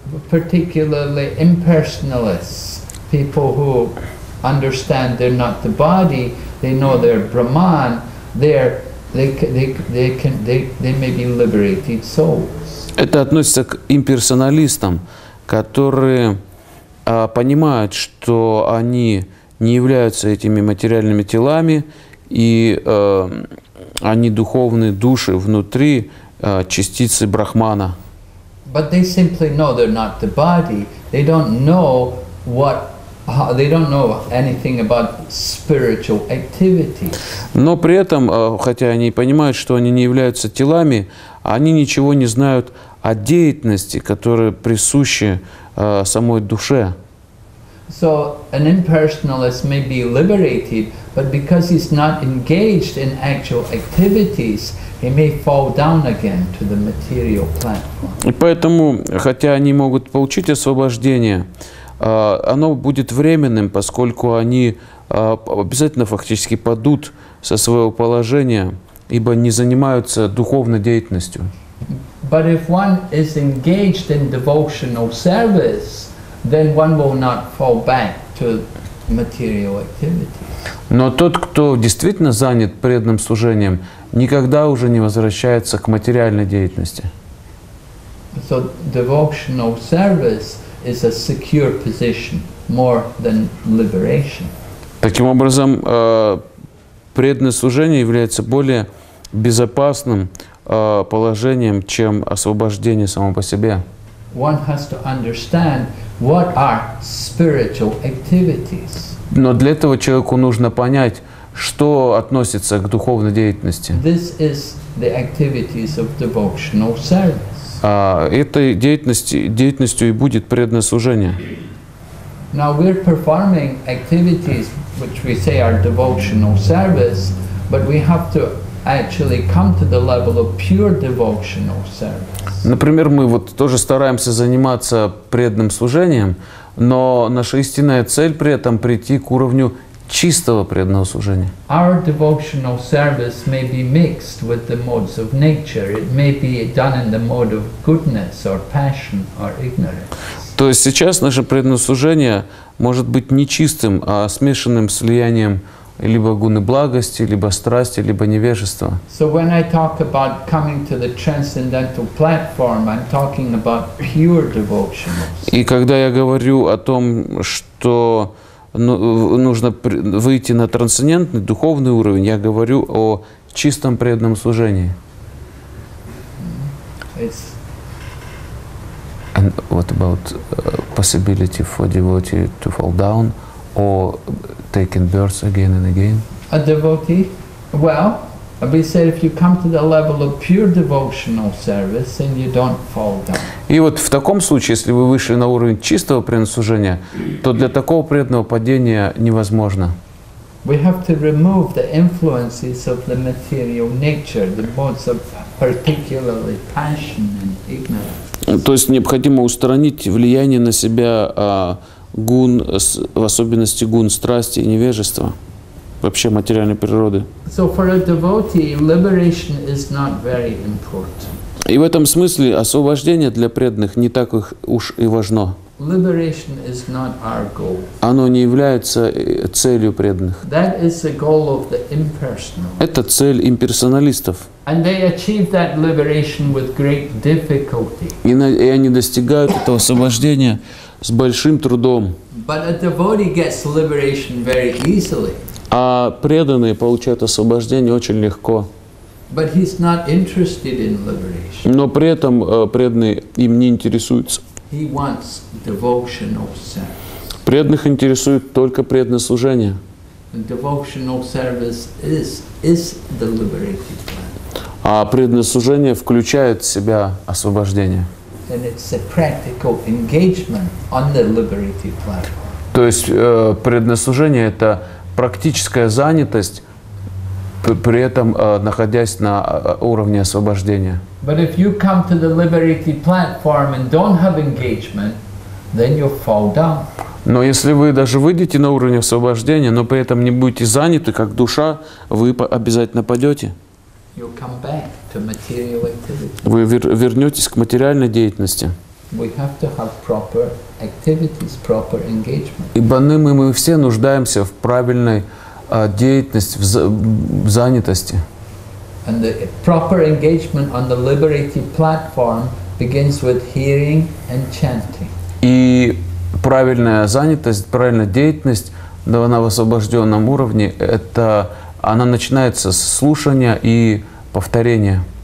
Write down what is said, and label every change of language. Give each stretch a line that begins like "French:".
English: Particularly impersonalists, people who understand they're not the body, they know they're Brahman, they may be liberated souls.
Russian: Это относится к имперсоналистам, которые понимают, что они не являются этими материальными телами, и они духовные души внутри частицы Брахмана.
English: But they simply know they're not the body. They don't know what. They don't know anything about spiritual activity.
Russian: Но при этом, хотя они и понимают, что они не являются телами, они ничего не знают о деятельности, которая присуща самой душе.
English: So an impersonalist may be liberated, but because he's not engaged in actual activities, he may fall down again to the material platform.
Russian: И поэтому, хотя они могут получить освобождение, оно будет временным, поскольку они обязательно фактически падут со своего положения, ибо не занимаются духовной деятельностью.
English: But if one is engaged in devotional service, then one will not fall back to material activities.
Russian: Но тот, кто действительно занят преданным служением, никогда уже не возвращается к материальной деятельности.
English: So devotional service is a secure position more than liberation.
Russian: Таким образом, преданное служение является более безопасным положением, чем освобождение само по себе.
English: One has to understand what are spiritual activities.
Russian: Но для этого человеку нужно понять, что относится к духовной деятельности.
English: This is the activities of devotional service.
Russian: Этой деятельностью и будет преданное служение.
English: Now we're performing activities which we say are devotional service, but we have to actually come to the level of pure devotional service.
Russian: Например, мы вот тоже стараемся заниматься преданным служением, но наша истинная цель при этом прийти к уровню чистого преданного служения.
English: Our devotional service may be mixed with the modes of nature. It may be done in the mode of goodness or passion or ignorance.
Russian: То есть сейчас наше преданное служение может быть не чистым, а смешанным с влиянием либо гуны благости, либо страсти, либо невежества.
English: So when I talk about coming to the transcendental platform, I'm talking about pure devotional.
Russian: И когда я говорю о том, что нужно выйти на трансцендентный духовный уровень, я говорю о чистом преданном служении.
English: And what about possibility for devotee to fall down or taking births again and again? A devotee? Well, we said if you come to the level of pure devotional service, then you don't fall down.
Russian: И вот в таком случае, если вы вышли на уровень чистого преданного служения, то для такого преданного падения невозможно.
English: We have to remove the influences of the material nature, the modes of particularly passion and ignorance.
Russian: То есть необходимо устранить влияние на себя гун, в особенности гун страсти и невежества, вообще материальной природы.
English: So for a devotee, liberation is not very important.
Russian: И в этом смысле освобождение для преданных не так уж и важно.
English: Liberation is not our goal.
Russian: Оно не является целью преданных.
English: That is the goal of the impersonalists.
Russian: Это цель имперсоналистов.
English: And they achieve that liberation with great difficulty.
Russian: И они достигают этого освобождения с большим трудом.
English: But a devotee gets liberation very easily.
Russian: А преданные получают освобождение очень легко.
English: But he's not interested in liberation.
Russian: Но при этом преданные им не интересуются.
English: He wants devotional service.
Russian: Преданных интересует только преданное служение.
English: Devotional service is the liberating plan.
Russian: А преданное служение включает в себя освобождение.
English: And it's a practical engagement on the liberating plan.
Russian: То есть преданное служение — это практическая занятость, при этом находясь на уровне освобождения.
English: But if you come to the liberated platform and don't have engagement, then you fall down.
Russian: Но если вы даже выйдете на уровень освобождения, но при этом не будете заняты как душа, вы обязательно падете.
English: You'll come back to material activity.
Russian: Вы вернетесь к материальной деятельности.
English: We have to have proper activities, proper engagement.
Russian: Ибо мы все нуждаемся в правильной деятельности, в занятости.
English: And the proper engagement on the liberated platform begins with hearing and chanting.
Russian: И правильная занятость, правильная деятельность, да, она в освобожденном уровне, это она начинается с слушания и повторения.